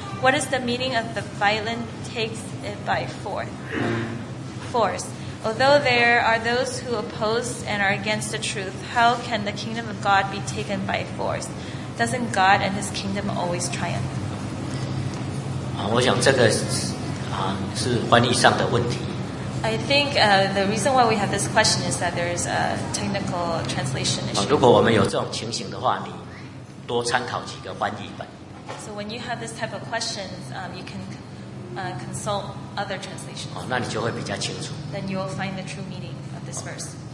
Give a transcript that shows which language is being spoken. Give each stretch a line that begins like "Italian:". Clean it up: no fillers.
English: What is the meaning of the violent takes it by force? Although there are those who oppose and are against the truth, how can the kingdom of God be taken by force? Doesn't God and his kingdom always triumph?
Chinese: 我想这个是翻译上的问题。
English: I think the reason why we have this question is that there is a technical translation issue.
Chinese: 如果我们有这种情形的话，你多参考几个翻译本。
English: So when you have this type of questions, you can consult other translations.
Chinese: 那你就会比较清楚。
English: Then you will find the true meaning of this verse.